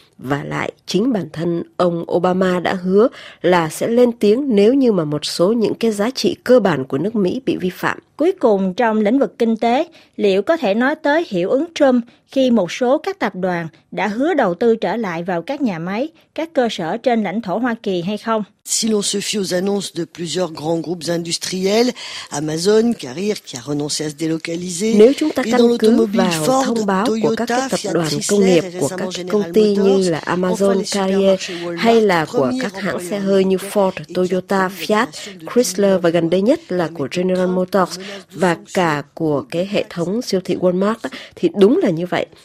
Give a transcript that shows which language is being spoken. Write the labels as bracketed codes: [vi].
[vi] Và lại, chính bản thân ông Obama đã hứa là sẽ lên tiếng nếu như mà một số những cái giá trị cơ bản của nước Mỹ bị vi phạm. Cuối cùng, trong lĩnh vực kinh tế, liệu có thể nói tới hiệu ứng Trump khi một số các tập đoàn đã hứa đầu tư trở lại vào các nhà máy, các cơ sở trên lãnh thổ Hoa Kỳ hay không? [fr] Si l'on se fie aux annonces de plusieurs grands groupes industriels, Amazon, Carrier, qui a renoncé à se délocaliser, [vi] nếu chúng ta căn cứ vào Ford, thông báo Toyota, của các cái tập đoàn Chrysler, công nghiệp của các công ty Motors, như là Amazon, Carrier hay là của các hãng xe hơi như Ford, Toyota, Fiat, Chrysler và gần đây nhất là của General Motors và cả của cái hệ thống siêu thị Walmart, thì đúng là như vậy.